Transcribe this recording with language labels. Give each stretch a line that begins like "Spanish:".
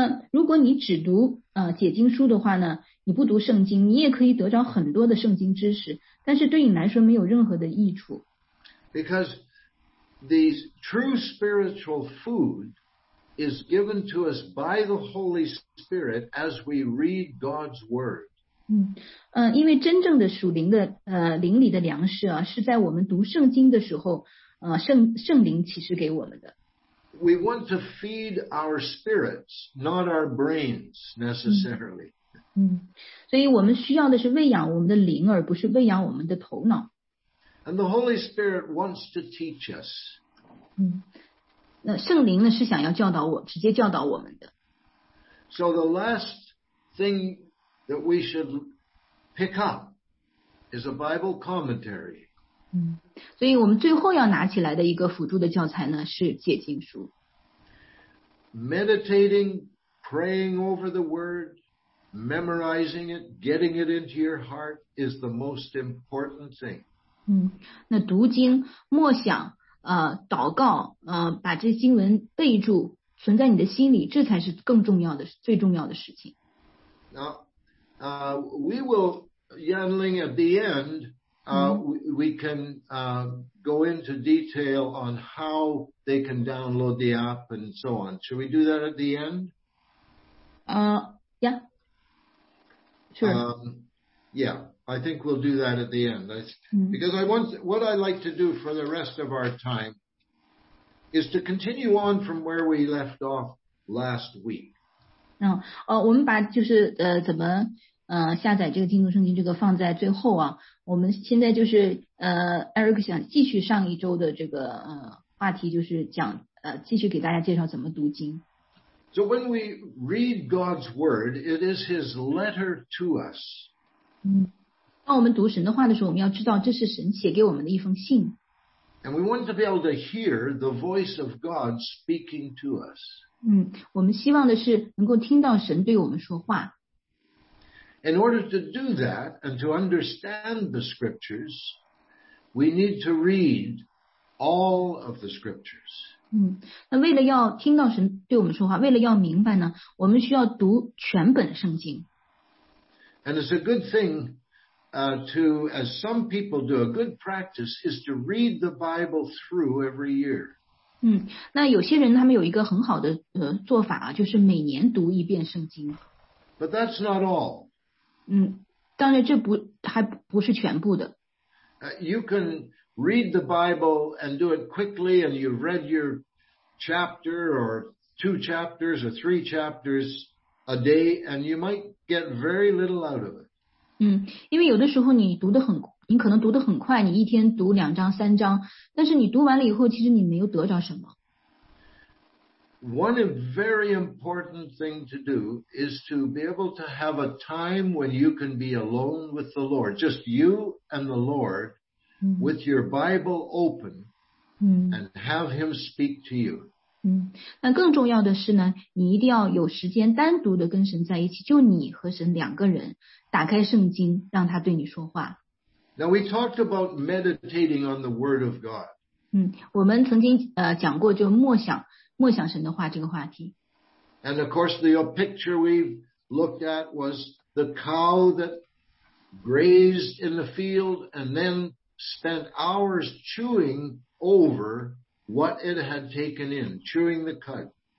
Chinese: 如果你只读解经书的话呢，你不读圣经，你也可以得到很多的圣经知识，但是对你来说没有任何的益处。
English: Because the true spiritual food is given to us by the Holy Spirit as we read God's word.
Chinese: 因为真正的属灵的灵里的粮食啊，是在我们读圣经的时候圣灵启示给我们的。
English: We want to feed our spirits, not our brains necessarily.
Chinese: 所以我们需要的是喂养我们的灵，而不是喂养我们的头脑。
English: And the Holy Spirit wants to teach us.
Chinese: 那圣灵呢，是想要教导我，直接教导我们的。
English: So the last thingthat we should pick up is a Bible commentary.
Chinese: 所以我们最后要拿起来的一个辅助的教材呢，是解经书。
English: Meditating, praying over the word, memorizing it, getting it into your heart is the most important thing.
Chinese: 那读经、默想、祷告、把这经文备注存在你的心里，这才是更重要的、最重要的事情。
English: We will, Yan Ling, at the end, we can go into detail on how they can download the app and so on. Should we do that at the end? Yeah. Sure. I think we'll do that at the end. Because what I like to do for the rest of our time is to continue on from where we left off last week.
Chinese: 我们把就是怎么下载这个经读圣经这个放在最后啊，我们现在就是Eric 想继续上一周的这个话题，就是讲继续给大家介绍怎么读经。
English: So when we read God's word, it is His letter to us.
Chinese: 当我们读神的话的时候，我们要知道这是神写给我们的一封信。
English: And we want to be able to hear the voice of God speaking to us.
Chinese: 我们希望的是能够听到神对我们说话。
English: In order to do that and to understand the scriptures, we need to read all of the scriptures.
Chinese: 那为了要听到神对我们说话，为了要明白呢，我们需要读全本圣经。
English: And it's a good thing, as some people do, a good practice is to read the Bible through every year.
Chinese: 那有些人他们有一个很好的做法啊，就是每年读一遍圣经。
English: But that's not all.
Chinese: 当然这不还不是全部的。
English: You can read the Bible and do it quickly, and you've read your chapter or two chapters or three chapters a day, and you might get very little out of it.
Chinese: 因为有的时候你可能读得很快，你一天读两章三章，但是你读完了以后，其实你没有得着什么。
English: One very important thing to do is to be able to have a time when you can be alone with the Lord, just you and the Lord, with your Bible open, and have Him speak to you.
Chinese: 那更重要的是呢，你一定要有时间单独的跟神在一起，就你和神两个人，打开圣经，让他对你说话。
English: Now we talked about meditating on the Word of God.
Chinese: 我们曾经讲过就默想。默想神的话这个话题。
English: And of course, the picture we looked at was the cow that grazed in the field and then spent hours chewing over what it had taken in, chewing the cud.